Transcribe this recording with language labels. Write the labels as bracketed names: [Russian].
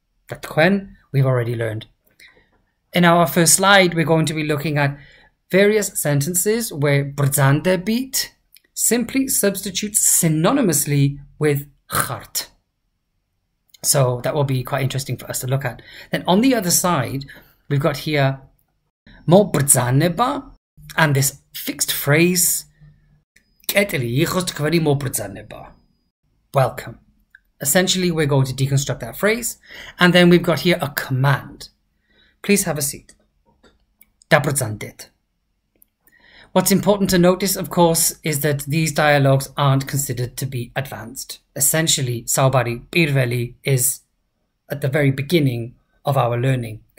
[English] That tkven, we've already learned. In our first slide, we're going to be looking at various sentences where BRDZAN-de-bit simply substitutes synonymously with khart. So that will be quite interesting for us to look at. Then on the other side, we've got here [Georgian] moBRDZANeba [English] and this fixed phrase [Georgian] კეთილი იყოს თქვენი მობრძანება. [English] Welcome. Essentially, we're going to deconstruct that phrase. And then we've got here a command. Please have a seat. [Georgian] daBRDZAN-de-t. [English] What's important to notice, of course, is that these dialogues aren't considered to be advanced. Essentially, [Georgian] საუბარი პირველი [English] is at the very beginning of our learning.